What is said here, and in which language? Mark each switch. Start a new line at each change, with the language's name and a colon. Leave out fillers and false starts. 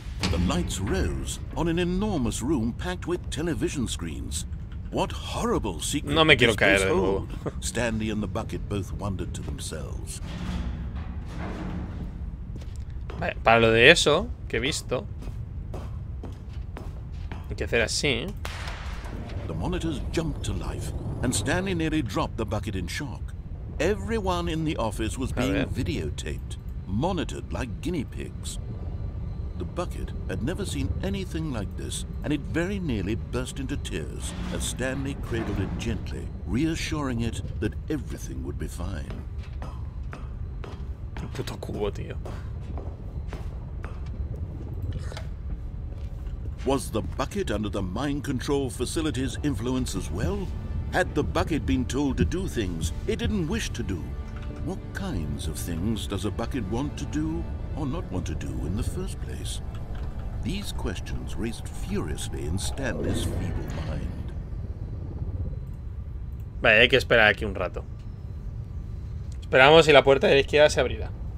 English: The lights rose on an enormous room packed with television screens. What horrible secret!
Spanish: No me quiero caer de nuevo.
English: Stanley and the bucket both wondered to themselves.
Spanish: Para lo de eso que he visto, hay que hacer así.
English: The monitors jumped to life, and Stanley nearly dropped the bucket in shock. Everyone in the office was being videotaped, monitored like guinea pigs. The bucket had never seen anything like this, and it very nearly burst into tears as Stanley cradled it gently, reassuring it that everything would be fine.
Spanish: Puto cubo, tío.
English: Was the bucket under the mind control facility's influence as well? Had the bucket been told to do things it didn't wish to do? What kinds of things does a bucket want to do? Or not want to do in the first place? These questions raced furiously in Stanley's feeble mind.
Spanish: Vale, hay que esperar aquí un rato. Esperamos y la puerta de la izquierda se abrirá.